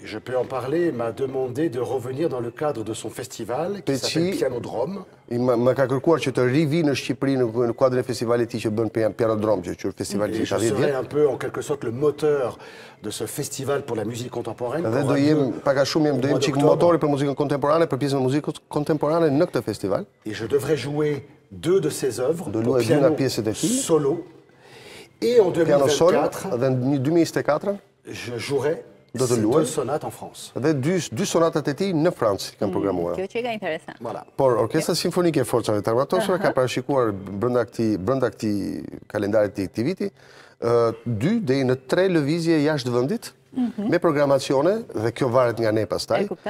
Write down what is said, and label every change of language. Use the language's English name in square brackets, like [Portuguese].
[French] Je peux en parler, m'a demandé de revenir dans le cadre de son festival, qui s'appelle Pianodrome. Il m'a [Albanian] kërkuar që të rivi në Shqipëri në kuadrin e festivalit që bën Pianodrome, që është festivali i 60 vjet. [French] Je serai un peu en quelque sorte le moteur de ce festival pour la musique contemporaine. [Albanian] Dhe do jem pak a shumë jem dojem çik motori për muzikën kontemporane, për pjesën e muzikës kontemporane në këtë festival. [French] Et je devrais jouer deux de ses œuvres, [Albanian] do luaj dy nga pjesët e tij [French] solo. Et en 2024, [Albanian] dhe në 2024, [French] je jouerai deux sonates en France. [Albanian] Dhe dy sonatat e tij në Francë kanë programuar. Kjo që ka interesant. [French] Voilà. [Albanian] Por Orkestra Simfonike e Forcave të Armatosura ka parashikuar brenda këtij kalendarit të këtij viti, dy deri në tre lëvizje jashtë vendit me programacione dhe kjo varet nga ne pastaj.